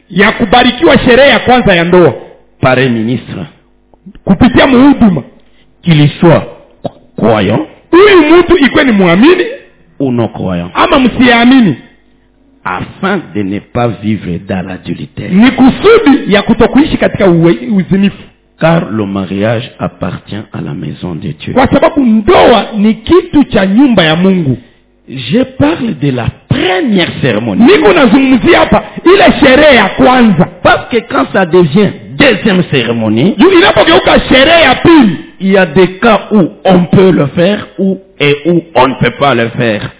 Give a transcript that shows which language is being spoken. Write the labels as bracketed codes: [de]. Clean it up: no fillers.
[sw] Ya kubarikiwa sherehe ya kwanza ya ndoa [fr] par un ministre. [sw] Kupitia muhuduma [fr] qu'il soit croyant. [sw] Huyu mtu ikuwe ni muamini [fr] ou non croyant. [sw] Ama msiamini [fr] afin de ne pas vivre dans l'adultère. [sw] Ni kusudi ya kutokuishi katika uzinifu. [fr] Car le mariage appartient à la maison de Dieu. [sw] Kwa sababu ndoa ni kitu cha nyumba ya Mungu. [fr] Je parle de la première cérémonie. [sw] Niko nazungumzia hapa ile sherehe ya kwanza. [fr] Parce que quand ça devient deuxième cérémonie, [sw] inapogeuka sherehe ya pili, [fr] il y a des cas où on peut le faire où on ne peut pas le faire.